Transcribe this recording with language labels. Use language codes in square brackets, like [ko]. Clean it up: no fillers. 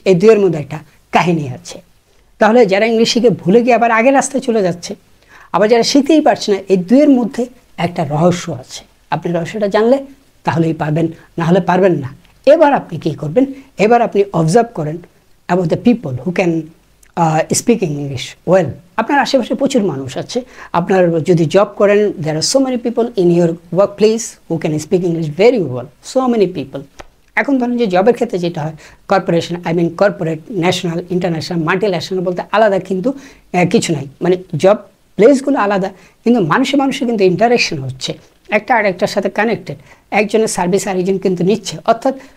[bn] এই দুয়ের মধ্যে একটা কাহিনী আছে। তাহলে যারা ইংলিশ শিখে ভুলে গিয়ে আবার আগের রাস্তায় চলে যাচ্ছে, আবার যারা শিখতেই পারছে না, এই দুয়ের মধ্যে একটা রহস্য আছে। আপনি রহস্যটা জানলে তাহলেই পারবেন, না হলে পারবেন না। এবার আপনি কী করবেন, এবার আপনি অবজার্ভ করেন [en] about the people who can speak English well. [bn] আপনার আশেপাশে প্রচুর মানুষ আছে, আপনার যদি জব করেন, [en] there are so many people in your workplace who can speak English very well, so many people. [bn] এখন ধরুন যে জবের ক্ষেত্রে যেটা হয়, corporation, I mean corporate, national, international, multi national বলতে আলাদা কিন্তু কিছু নাই, মানে জব প্লেসগুলো আলাদা কিন্তু মানুষে মানুষে কিন্তু ইন্টারেকশন হচ্ছে, একটা আর একটার সাথে কানেক্টেড, একজনের সার্ভিস আরেকজন কিন্তু নিচ্ছে, অর্থাৎ